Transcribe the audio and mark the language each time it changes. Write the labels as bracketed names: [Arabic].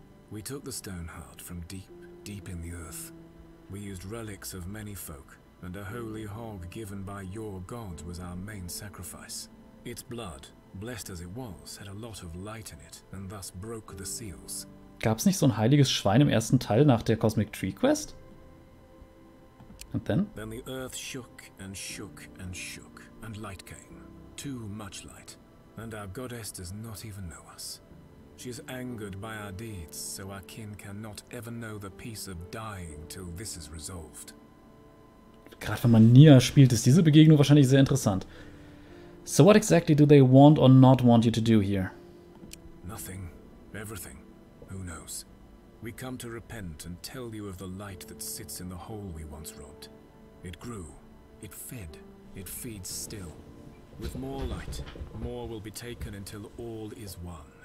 [English] We took the Stone Heart from deep, deep in the Earth. We used relics of many folk, and a holy hog given by your god was our main sacrifice. Its blood, blessed as it was, had a lot of light in it, and thus broke the seals. [German] Gab's nicht so ein heiliges Schwein im ersten Teil nach der Cosmic Tree Quest? [English] And then? Then the Earth shook and shook and shook. And light came. Too much light. And our goddess does not even know us. She is angered by our deeds, so our kin cannot ever know the peace of dying till this is resolved. [German] Gerade wenn man Nia spielt, ist diese Begegnung wahrscheinlich sehr interessant. [English] So what exactly do they want or not want you to do here? Nothing. Everything. Who knows? We come to repent and tell you of the light that sits in the hole we once robbed. It grew. It fed. It feeds still. With more light, more will be taken until all is one.